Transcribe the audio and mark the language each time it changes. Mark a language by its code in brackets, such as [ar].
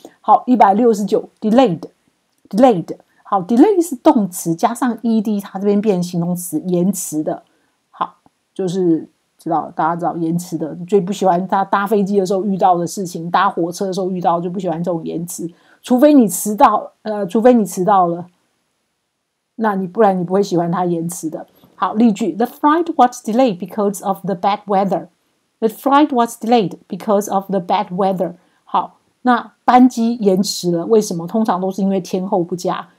[zh] 好， 169 delayed， 好， delay 是动词加上 ed， 它这边变形容词延迟的。好，就是知道大家知道延迟的，最不喜欢他搭飞机的时候遇到的事情，搭火车的时候遇到，就不喜欢这种延迟。除非你迟到，除非你迟到了，那你不然你不会喜欢他延迟的。好，例句 [en] ：The flight was delayed because of the bad weather. The flight was delayed because of the bad weather. [zh] 好，那班机延迟了，为什么？通常都是因为天候不佳。